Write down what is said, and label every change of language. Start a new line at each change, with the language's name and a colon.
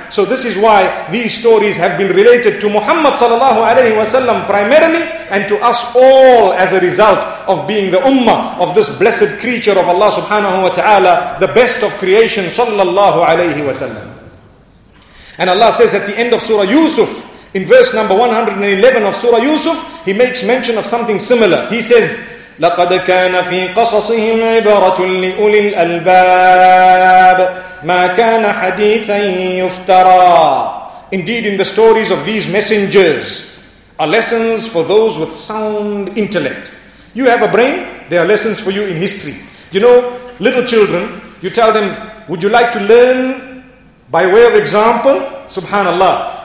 English: So this is why these stories have been related to Muhammad sallallahu alayhi wa sallam primarily, and to us all as a result of being the ummah of this blessed creature of Allah subhanahu wa ta'ala, the best of creation sallallahu alayhi wa sallam. And Allah says at the end of Surah Yusuf, in verse number 111 of Surah Yusuf, He makes mention of something similar.
Arabic: He says, لَقَدْ كَانَ فِي قَصَصِهِمْ عِبَرَةٌ لِأُولِي الْأَلْبَابِ مَا كَانَ حَدِيثًا يُفْتَرَى.
English: Indeed, in the stories of these messengers are lessons for those with sound intellect. You have a brain, there are lessons for you in history. You know, little children, you tell them, would you like to learn by way of example? Subhanallah.